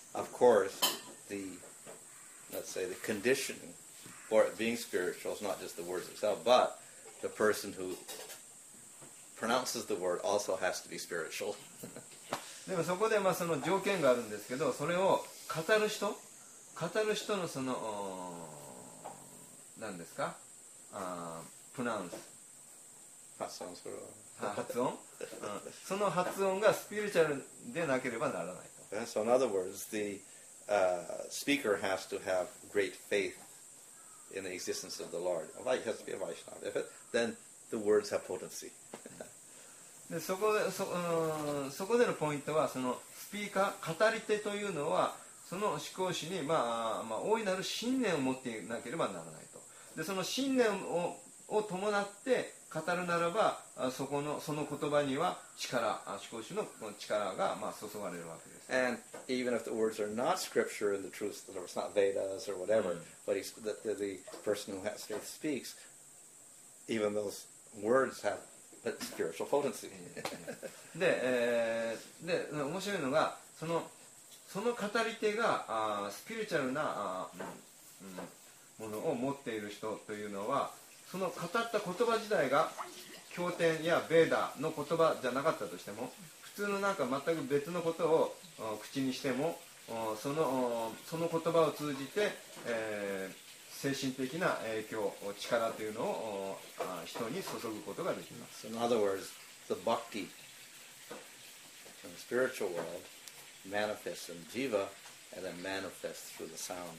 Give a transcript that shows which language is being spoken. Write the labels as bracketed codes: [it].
[en] Of course, the, let's say, the condition for it being spiritual is not just the words itself, but the person who pronounces the word also has to be spiritual. [ja] でもそこでまあその条件があるんですけど、それを語る人のその、何ですか、プナウンス発音、その発音がスピリチュアルでなければならないと。 [en] So in other words, the speaker has to have great faith in the existence of the Lord. Like has to be a Vaishnava. Then the words have potency. [ja] で、そこでのポイントは、そのスピーカー語り手というのは、その思考師に、まあ、大いなる信念を持っていなければならない。でその信念 を伴って語るならば、その言葉には力、思考主の力が、まあ、注がれるわけです。 [en] And even if the words are not scripture in the truth, or it's not Vedas or whatever,、but the person who has faith speaks, even those words have a spiritual potency. [ja] で、面白いのが、その語り手がスピリチュアルな、ものを持っている人というのは、その語った言葉自体が経典やベーダーの言葉じゃなかったとしても、普通のなんか全く別のことを口にしても、その言葉を通じて、精神的な影響、力というのを人に注ぐことができます。 [en] In other words, the bhakti in the spiritual world manifests in jiva and then manifests through the sound.